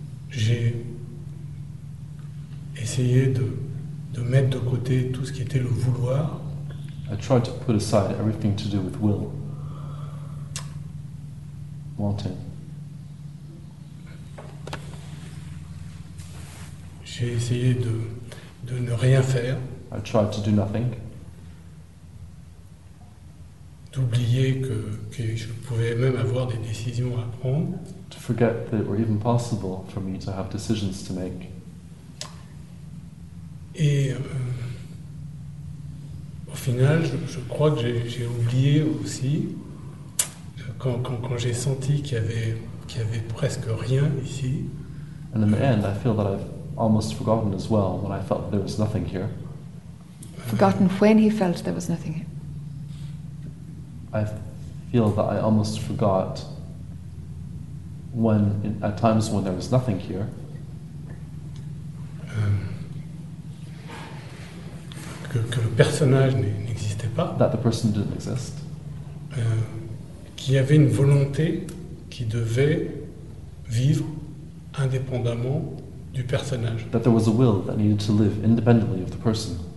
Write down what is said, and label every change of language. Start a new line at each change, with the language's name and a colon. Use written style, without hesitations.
French: j'ai essayé de mettre de côté tout ce qui était le vouloir.
English: I tried to put aside everything to do with will. Wanting.
French: J'ai essayé de ne rien faire.
English: I tried to do nothing.
French: D'oublier que je pouvais même avoir des décisions à prendre.
English: To forget that it were even possible for me to have decisions to make.
French: Et au final, je crois que j'ai oublié aussi quand j'ai senti qu'il y avait presque rien ici.
English: And in the end, I feel that I've almost forgotten as well when I felt there was nothing here. Forgotten when he felt there was nothing here. I feel that I almost forgot when, at times when there was nothing here.
French: Que le personnage n'existait pas.
English: That the person didn't exist.
French: Qu'il y avait une volonté qui devait vivre indépendamment du personnage.
English: That there was a will that needed to live independently of the person.